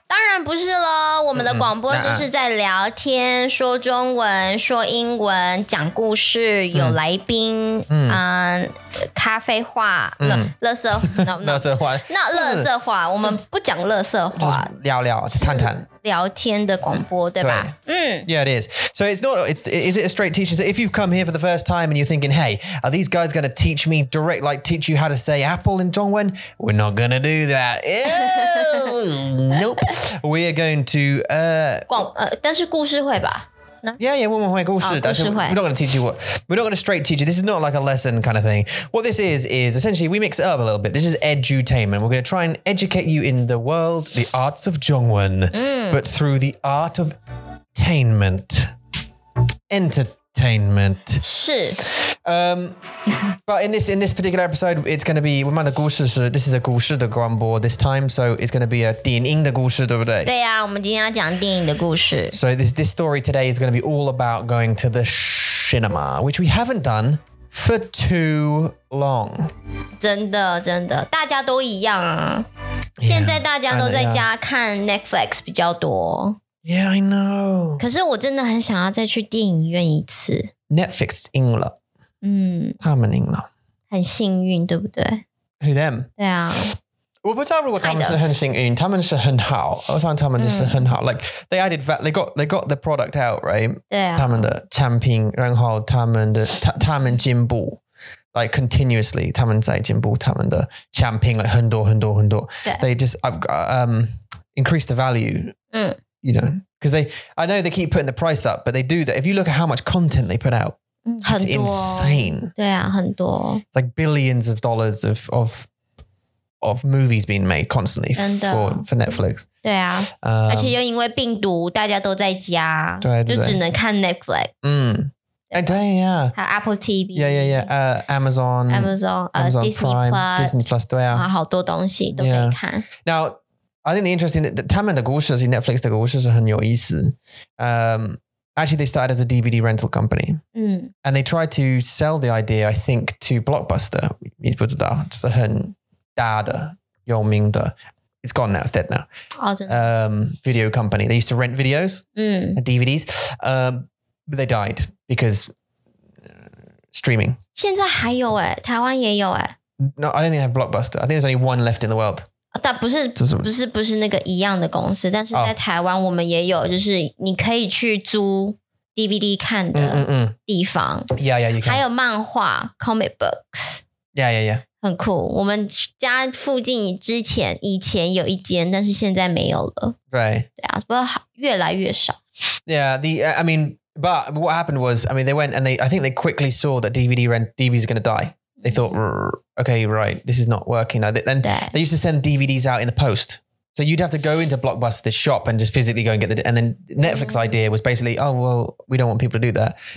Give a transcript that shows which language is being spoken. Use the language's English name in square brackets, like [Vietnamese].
[Chinese] 当然不是咯，我们的广播就是在聊天，说中文，说英文，讲故事，有来宾，咖啡话，垃圾话，垃圾话，那垃圾话，我们不讲垃圾话，聊聊，谈谈。聊天的广播，对吧？ [English] Yeah, it is. So it's not, is it a straight teaching? So if you've come here for the first time and you're thinking, hey, are these guys going to teach me direct, like teach you how to say apple in Zhongwen? We're not going to do that. nope. We are going to... [Chinese] 但是故事会吧？ [English] Yeah, yeah, [Chinese] 我们会故事，但是 [English] we're not going to teach you what. We're not going to straight teach you. This is not like a lesson kind of thing. What this is essentially we mix it up a little bit. This is edutainment. We're going to try and educate you in the world, the arts of Zhongwen, but through the art of tainment. Entertainment. [Chinese] 是。 [English] But in this particular episode, it's going to be, [Chinese] 我们的故事是, [English] this is a [Chinese] 故事的广播 [English] this time, so it's going to be a [Chinese] 电影的故事,对不对? 对啊,我们今天要讲电影的故事。 [English] So this story today is going to be all about going to the cinema, which we haven't done for too long. [Chinese] 真的,真的,大家都一样啊。现在大家都在家看 Netflix 比较多。 [English] Yeah, I know. [Chinese] 可是我真的很想要再去电影院一次。 Netflix 赢了。他们赢了。很幸运，对不对 [English] ？Who them？ [Chinese] 对啊。我不知道如果他们是很幸运，他们是很好。我想他们就是很好。 [English] Like they added that, they got the product out, right？ [Chinese] 对啊。他们的产品，然后他们进步。 [English] Like continuously, [Chinese] 他们在进步，他们的产品 like 很多很多很多。 [English] They just increase the value。 You know, because I know they keep putting the price up, but they do that. If you look at how much content they put out, it's insane. [Chinese] 对啊，很多。 [English] It's like billions of dollars of movies being made constantly for Netflix. [Chinese] 对啊，而且又因为病毒，大家都在家，对，就只能看 Netflix. [English] And then, yeah. How Apple TV. Yeah, yeah, yeah. Amazon Prime, Disney Plus. [Chinese] Disney Plus, 对啊。好多东西都可以看。 [English] Now,I think the interesting thing, [Chinese] 他们的故事是 Netflix 的故事是很有意思。 [English] Actually, they started as a DVD rental company. And they tried to sell the idea, I think, to Blockbuster. 你不知道,是很大的,有名的。 It's gone now, it's dead now. Video company. They used to rent videos, DVDs. But they died because streaming. [Chinese] 现在还有耶,台湾也有耶。 [English] No, I don't think they have Blockbuster. I think there's only one left in the world. [Chinese] 但不是那个一样的公司，但是在台湾我们也有，就是你可以去租 DVD 看的地方。 [English] Yeah, yeah, you can. [Chinese] 还有漫画 comic books. [English] Yeah, yeah, yeah. [Chinese] 很酷。我们家附近以前有一间，但是现在没有了。 [English] Right. [Chinese] 对啊，不过越来越少。 [English] Yeah, but what happened was, I mean, they went and I think they quickly saw that DVD is going to die. They thought, okay, right, this is not working. Now, then they used to send DVDs out in the post. So you'd have to go into Blockbuster, the shop, and just physically go and get the... And then Netflix's idea was basically, oh, well, we don't want people to do that.